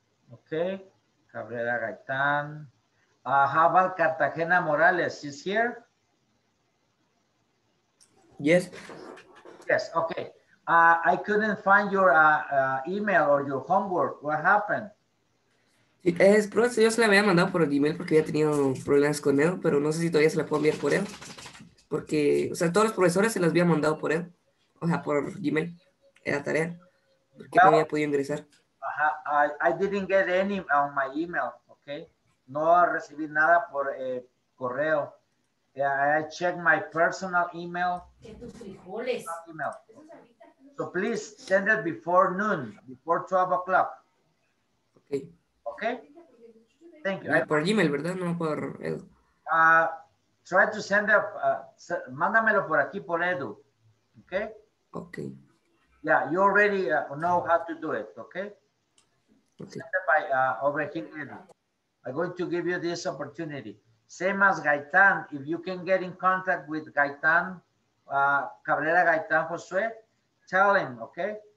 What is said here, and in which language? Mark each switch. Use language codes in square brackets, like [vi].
[en] Okay, Cabrera Gaitan. How about Cartagena Morales? She's here? Yes. Yes, okay. I couldn't find your email or your homework. What happened? [es] Es, profesor, yo se la había mandado por el email porque había tenido problemas con él, pero no sé si todavía se la puedo enviar por él. Porque, o sea, todos los profesores se las había mandado por él. O sea, por email. Era tarea. Porque no había podido ingresar. Ajá. [en] I didn't get any on my email, okay? [es] No recibí nada por correo. [en] I checked my personal email. Email. So please send it before noon, before 12 o'clock. Okay. Okay, thank you. [es] Yeah, por email, ¿verdad? No por él. [en] Try to send up, [es] mándamelo por aquí, por Edu. [en] Okay? Okay. Yeah, you already know how to do it, okay? Okay. Send it by over here, Edu. I'm going to give you this opportunity. Same as Gaitan, if you can get in contact with Gaitan, Cabrera Gaitan Josue, tell him, okay?